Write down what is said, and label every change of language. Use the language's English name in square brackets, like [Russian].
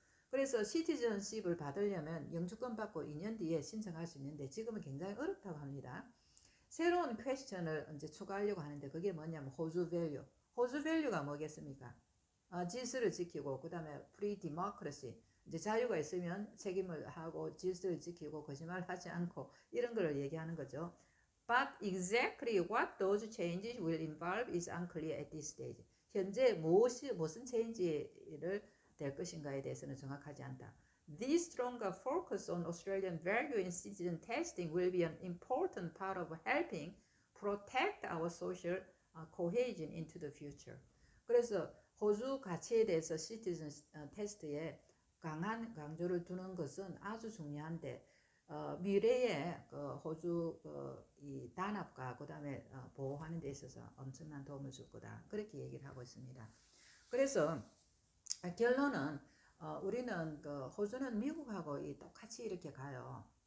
[Korean] 그래서 시티즌십을 받으려면 영주권 받고 2년 뒤에 신청할 수 있는데 지금은 굉장히 어렵다고 합니다. 새로운 퀘스천을 이제 추가하려고 하는데 그게 뭐냐면 호주 밸류. 호주 밸류가 뭐겠습니까? 질서를 지키고 그다음에 프리 디모크라시. 이제 자유가 있으면 책임을 하고 질서를 지키고 거짓말을 하지 않고 이런 걸 얘기하는 거죠. [English] But exactly what those changes will involve is unclear at this stage. [Korean] 현재 무엇이 무슨 체인지를 될 것인가에 대해서는 정확하지 않다. [English] This stronger focus on Australian value in citizen testing will be an important part of helping protect our social cohesion into the future. [Korean] 그래서 호주 가치에 대해서 citizen test에 강한 강조를 두는 것은 아주 중요한데 미래에 그 호주 이 단합과 그다음에 보호하는 데 있어서 엄청난 도움을 줄 거다. 그렇게 얘기를 하고 있습니다. 그래서 결론은 우리는 그 호주는 미국하고 똑같이 이렇게 가요.